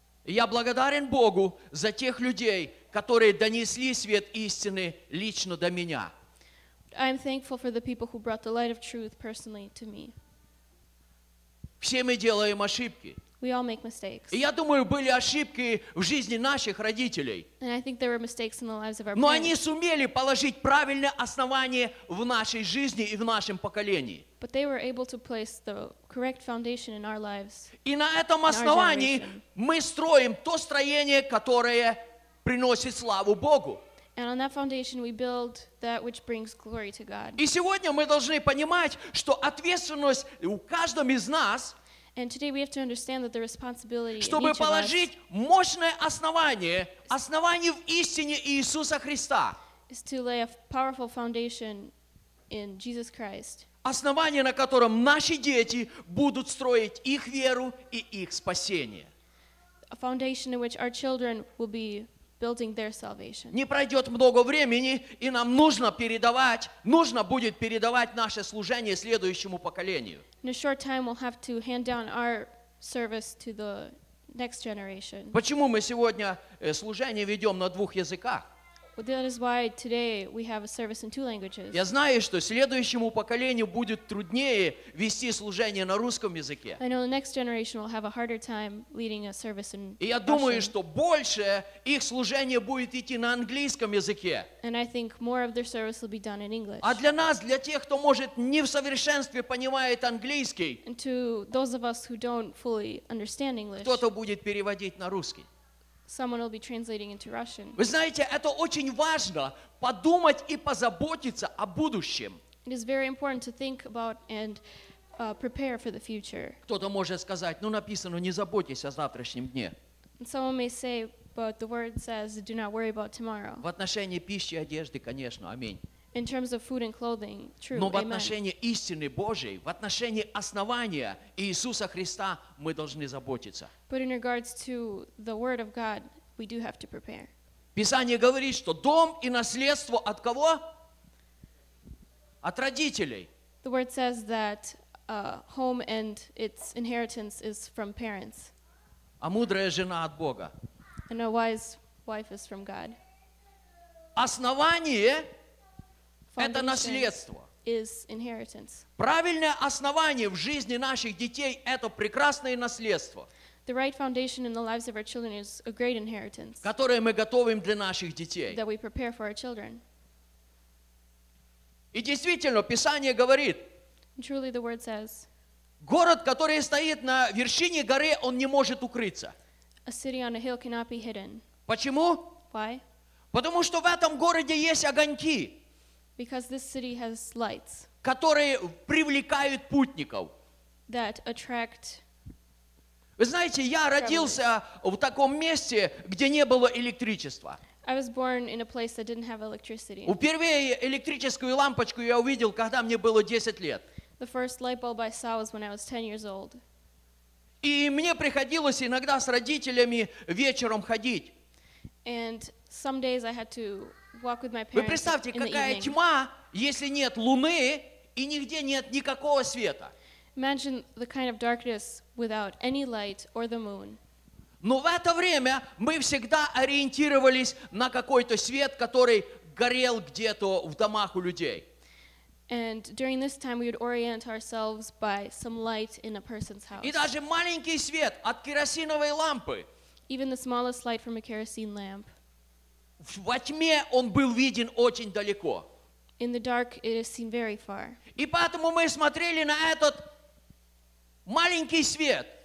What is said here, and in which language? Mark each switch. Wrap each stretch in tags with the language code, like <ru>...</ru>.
<ru>Я благодарен Богу за тех людей, которые донесли свет истины лично до меня.</ru> <en>I'm thankful for the people who brought the light of truth personally to me.</en> <ru>Все мы делаем ошибки.</ru> <en>We all make mistakes.</en> <ru>И я думаю, были ошибки в жизни наших родителей.</ru> <en>And I think there were mistakes in the lives of our</en> <ru>Но</ru> <en>parents.</en> <ru>Но они сумели положить правильное основание в нашей жизни и в нашем поколении.</ru> <en>But they were able to place the correct foundation in our lives.</en> <ru>И на этом основании мы строим то строение, которое приносит славу Богу.</ru> <en>And on that foundation we build that which brings glory to God.</en> <ru>И сегодня мы должны понимать, что ответственность у каждого из нас,</ru> <en>and today we have to understand that the responsibility</en> <ru>чтобы положить мощное основание в истине Иисуса Христа,</ru> <en>is to lay a powerful foundation in Jesus Christ.</en> <ru>Основание, на котором наши дети будут строить их веру и их спасение.</ru> <en>A foundation in which our children will be building their salvation.</en> <ru>Не пройдет много времени, и нам нужно передавать, нужно будет передавать наше служение следующему поколению.</ru> <en>In a short time, we'll have to hand down our service to the next generation.</en> <ru>Почему мы сегодня служение ведем на двух языках?</ru> <en>Well, that is why today we have a service in two languages.</en> <ru>Я знаю, что следующему поколению будет труднее вести служение на русском языке.</ru> <en>I know the next generation will have a harder time leading a service in Russian.</en> <ru>И я думаю, что больше их служение будет идти на английском языке.</ru> <en>And I think more of their service will be done in English.</en> <ru>А для нас, для тех, кто может не в совершенстве понимает английский,</ru> <en>and to those of us who don't fully understand English,</en> <ru>кто-то будет переводить на русский.</ru> <en>Someone will be translating into Russian.</en> <ru>Вы знаете, это очень важно подумать и позаботиться о будущем.</ru> <en>It is very important to think about and prepare for the future.</en> <ru>Кто-то может сказать, ну написано, не заботьтесь о завтрашнем дне.</ru> <en>Someone may say, but the word says, do not worry about tomorrow.</en> <ru>В отношении пищи и одежды, конечно, аминь.</ru> <en>In terms of food and clothing, true,</en> <ru>Но в отношении истины Божьей, в отношении основания Иисуса Христа мы должны заботиться.</ru> <en>But in regards to the word of God, we do have to prepare.</en> <ru>Писание говорит, что дом и наследство от кого? От родителей.</ru> <en>The word says that home and its inheritance is from parents.</en> <ru>А мудрая жена от Бога.</ru> <en>And a wise wife is from God.</en> <ru>Основание Это наследство.</ru> <en>Is inheritance.</en> <ru>Правильное основание в жизни наших детей – это прекрасное наследство,</ru> <en>the right foundation in the lives of our children is a great inheritance,</en> <ru>которое мы готовим для наших детей.</ru> <en>That we prepare for our children.</en> <ru>И действительно, Писание говорит,</ru> <en>truly the word says,</en> <ru>город, который стоит на вершине горы, он не может укрыться.</ru> <en>A city on a hill cannot be hidden.</en> <ru>Почему?</ru> <en>Why?</en> <ru>Потому что в этом городе есть огоньки.</ru> <en>Because this city has lights,</en> <ru>которые привлекают путников.</ru> <en>That attract.</en> <ru>Вы знаете, я родился в таком месте, где не было электричества.</ru> <en>I was born in a place that didn't have electricity.</en> <ru>Впервые электрическую лампочку я увидел, когда мне было 10 лет.</ru> <en>The first light bulb I saw was when I was 10 years old.</en> <ru>И мне приходилось иногда с родителями вечером ходить.</ru> <en>And some days I had to walk with my parents.</en> <ru>Вы представьте, какая тьма, если нет луны и нигде нет никакого света.</ru> <en>Imagine the kind of darkness without any light or the moon.</en> <ru>Но в это время мы всегда ориентировались на какой-то свет, который горел где-то в домах у людей.</ru> <en>And during this time we would orient ourselves by some light in a person's house.</en> <ru>И даже маленький свет от керосиновой лампы.</ru> <en>Even the smallest light from a kerosene lamp.</en> <ru>Во тьме он был виден очень далеко.</ru> <en>In the dark it is seen very far.</en> <ru>И поэтому мы смотрели на этот маленький свет.</ru>